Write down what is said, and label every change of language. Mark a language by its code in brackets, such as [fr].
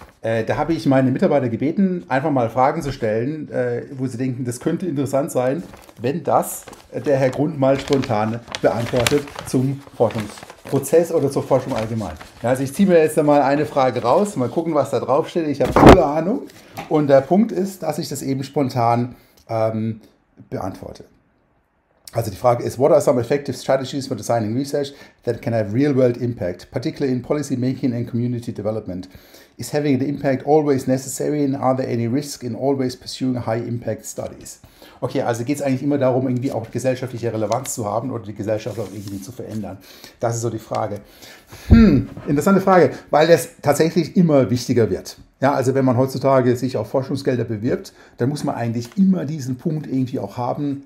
[de] Da habe ich meine Mitarbeiter gebeten, einfach mal Fragen zu stellen, wo sie denken, das könnte interessant sein, wenn das der Herr Grund mal spontan beantwortet zum Forschungsprozess oder zur Forschung allgemein. Also ich ziehe mir jetzt mal eine Frage raus, mal gucken, was da draufsteht. Ich habe keine Ahnung und der Punkt ist, dass ich das eben spontan beantworte. Also die Frage ist, [en] what are some effective strategies for designing research that can have real-world impact, particularly in policy-making and community development? Is having an impact always necessary and are there any risks in always pursuing high-impact studies? [de] Okay, also geht es eigentlich immer darum, irgendwie auch gesellschaftliche Relevanz zu haben oder die Gesellschaft auch irgendwie zu verändern. Das ist so die Frage. Interessante Frage, weil das tatsächlich immer wichtiger wird. Ja, also wenn man heutzutage sich auf Forschungsgelder bewirbt, dann muss man eigentlich immer diesen Punkt irgendwie auch haben.